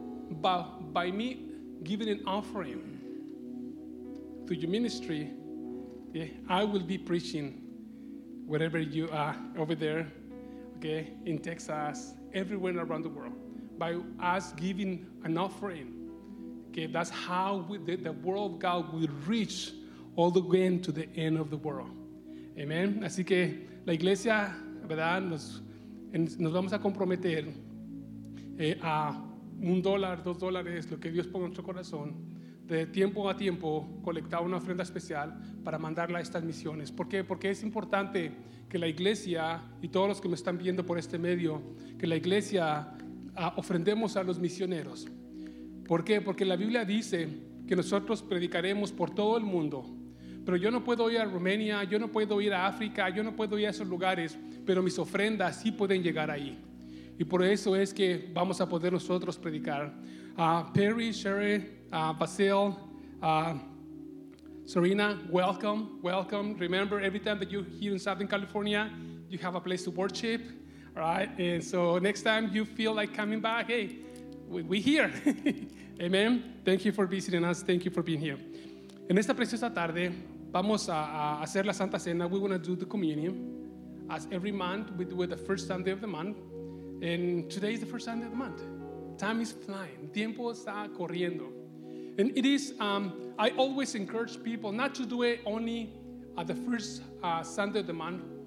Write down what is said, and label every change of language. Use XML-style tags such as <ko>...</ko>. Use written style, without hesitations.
<en>But by me giving an offering to your ministry, yeah, I will be preaching wherever you are over there, okay, in Texas, everywhere around the world. By us giving an offering, okay, that's how the word of God will reach all the way to the end of the world. Amen.</en> <es>Así que la iglesia, ¿verdad?, nos vamos a comprometer a $1, $2, lo que Dios ponga en nuestro corazón, de tiempo a tiempo, colectar una ofrenda especial para mandarla a estas misiones. ¿Por qué? Porque es importante que la iglesia y todos los que me están viendo por este medio, que la iglesia ofrendemos a los misioneros. ¿Por qué? Porque la Biblia dice que nosotros predicaremos por todo el mundo. Pero yo no puedo ir a Rumania, yo no puedo ir a África, yo no puedo ir a esos lugares, pero mis ofrendas sí pueden llegar ahí. y por eso es que vamos a poder nosotros predicar.</es> <en>Perry, Sherry, Basil, Serena, welcome, welcome. Remember, every time that you're here in Southern California, you have a place to worship, right? And so next time you feel like coming back, hey, we're here. Amen. Thank you for visiting us. Thank you for being here.</en> <es>En esta preciosa tarde, vamos a hacer la Santa Cena.</es> <en>We're going to do the communion. As every month, we do it the first Sunday of the month. And today is the first Sunday of the month. Time is flying.</en> <es>Tiempo está corriendo.</es> <en>And it is, I always encourage people not to do it only at the first Sunday of the month.</en>